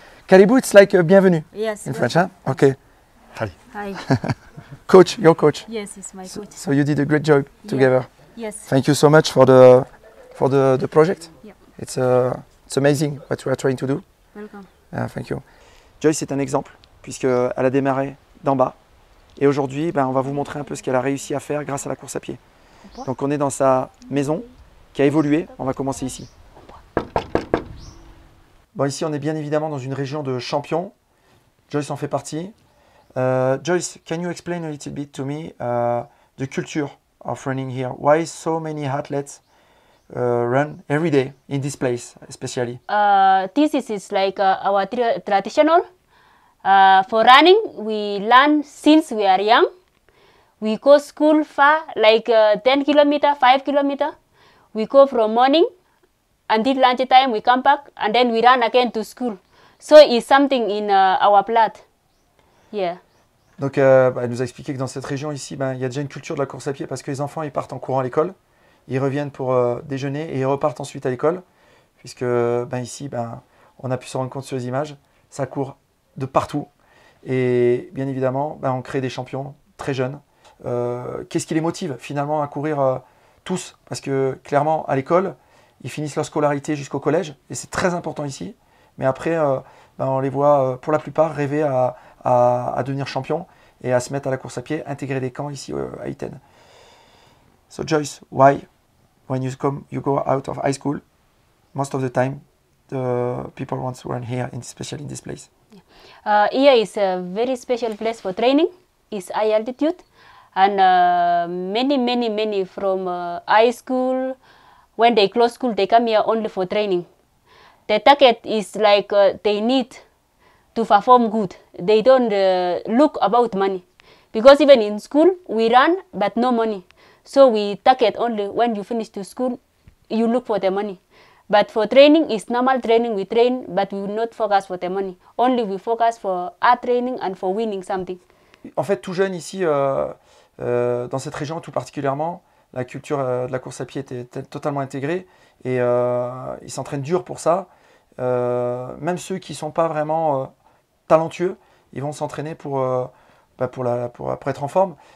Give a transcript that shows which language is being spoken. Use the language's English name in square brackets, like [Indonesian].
[English] Caribou, it's like bienvenue. Yes. In French, huh? Okay. Hi. Coach, your coach. Yes, it's my coach. So you did a great job together. Yeah. Yes. Thank you so much for the project. Yeah. It's amazing what we are trying to do. Welcome. Thank you. [French] Joyce est un exemple, puisqu'elle a démarré d'en bas. Et aujourd'hui, on va vous montrer un peu ce qu'elle a réussi à faire grâce à la course à pied. Donc on est dans sa maison qui a évolué. On va commencer ici. Bon, ici, on est bien évidemment dans une région de champions. Joyce en fait partie. [English] Joyce, can you explain a little bit to me the culture of running here? Why so many athletes run every day in this place, especially? This is like our traditional. For running, we learn since we are young. We go school far, like 10 kilometers, 5 kilometers. We go from morning until lunchtime, we come back, and then we run again to school. So it's something in our blood. Yeah. [French] Donc, elle nous a expliqué que dans cette région ici, il y a déjà une culture de la course à pied parce que les enfants, ils partent en courant à l'école. Ils reviennent pour déjeuner et ils repartent ensuite à l'école, puisque on a pu se rendre compte sur les images, ça court de partout. Et bien évidemment, on crée des champions très jeunes. Qu'est-ce qui les motive finalement à courir tous? Parce que clairement, à l'école, ils finissent leur scolarité jusqu'au collège, et c'est très important ici. Mais après, on les voit pour la plupart rêver à devenir champion et à se mettre à la course à pied, intégrer des camps ici à Iten. [English] So Joyce, why, when you go out of high school, most of the time, the people want to run here, especially in this place? Yeah. Here is a very special place for training. It's high altitude, and many from high school, when they close school, they come here only for training. The target is like they need to perform good. They don't look about money, because even in school we run, but no money. So we target only when you finish to school, you look for the money. But for training, it's normal training. We train, but we will not focus for the money. Only we focus for our training and for winning something. [French] En fait, tout jeune ici, dans cette région tout particulièrement, la culture de la course à pied était totalement intégrée. Et ils s'entraînent dur pour ça. Même ceux qui ne sont pas vraiment talentueux, ils vont s'entraîner pour être en forme.